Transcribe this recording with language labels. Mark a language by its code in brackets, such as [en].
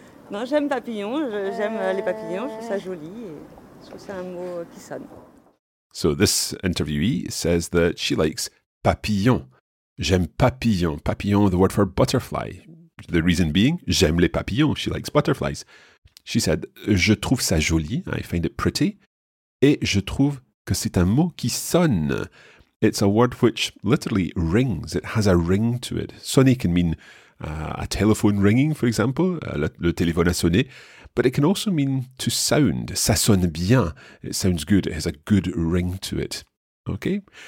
[fr] Non, j'aime papillon, j'aime les papillons, je trouve ça joli, et je trouve ça un mot qui sonne. [en] So this interviewee says that she likes papillon. [fr] J'aime papillon, papillon, [en] the word for butterfly. The reason being, [fr] j'aime les papillons, [en] she likes butterflies. She said, [fr] je trouve ça joli, [en] I find it pretty, [fr] et je trouve que c'est un mot qui sonne. [en] It's a word which literally rings, it has a ring to it. Sonner can mean a telephone ringing, for example, [fr] le téléphone a sonné. [en] But it can also mean to sound. [fr] Ça sonne bien. [en] It sounds good. It has a good ring to it. Okay?